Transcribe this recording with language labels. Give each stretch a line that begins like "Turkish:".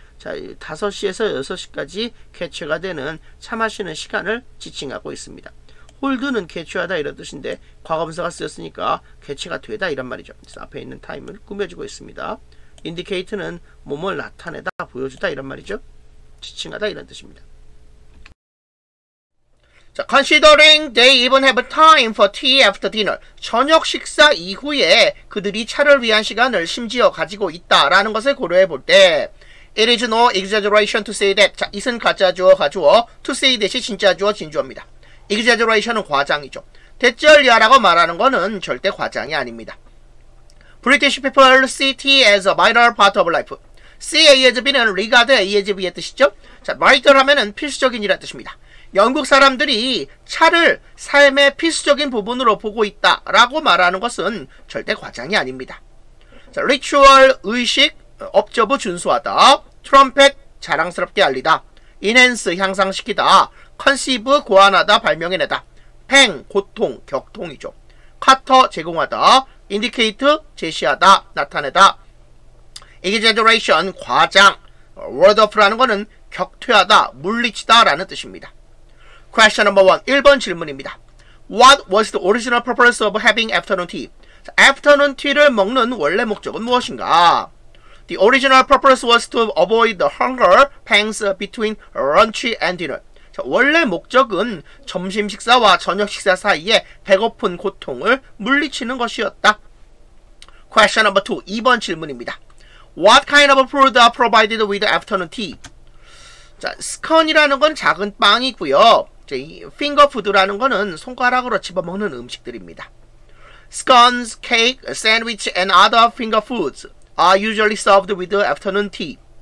Korean: 자, 5시에서 6시까지 개최가 되는 차 마시는 시간을 지칭하고 있습니다. hold는 개최하다 이런 뜻인데 과거분사가 쓰였으니까 개최가 되다 이런 말이죠. 그래서 앞에 있는 time을 꾸며주고 있습니다. indicate는 몸을 나타내다, 보여주다 이런 말이죠. 지칭하다 이런 뜻입니다.
English: 자, considering they even have time for tea after dinner.
Korean: 저녁 식사 이후에 그들이 차를 위한 시간을 심지어 가지고 있다라는 것을 고려해 볼 때
English: It is no exaggeration to say that.
Korean: 자, it은 가짜 주어, 가주어. To say that이 진짜 주어, 진주어입니다. exaggeration은 과장이죠. 대절이야라고 말하는 것은 절대 과장이 아닙니다.
English: British people see tea as a vital part of life. See as be는 regard as be의 뜻이죠.
Korean: 자, vital 하면은 필수적인이라는 뜻입니다. 영국 사람들이 차를 삶의 필수적인 부분으로 보고 있다라고 말하는 것은 절대 과장이 아닙니다. 자, ritual, 의식, observe, 준수하다, trumpet, 자랑스럽게 알리다, enhance, 향상시키다, conceive, 고안하다, 발명해내다, pain, 고통, 격통이죠. cutter, 제공하다, indicate, 제시하다, 나타내다, exaggeration, 과장, word up라는 것은 격퇴하다, 물리치다 라는 뜻입니다.
English: Question number one.
Korean: 1번 질문입니다.
English: What was the original purpose of having afternoon tea?
Korean: Afternoon tea를 먹는 원래 목적은 무엇인가?
English: The original purpose was to avoid the hunger pangs between lunch and dinner.
Korean: 자, 원래 목적은 점심 식사와 저녁 식사 사이에 배고픈 고통을 물리치는 것이었다.
English: Question number two.
Korean: 2번 질문입니다.
English: What kind of food are provided with afternoon tea?
Korean: 자, scone이라는 건 작은 빵이고요. 자, 이 핑거푸드라는 거는 손가락으로 집어먹는 음식들입니다.
English: Scones, cake, sandwich and other finger foods are usually served with afternoon tea.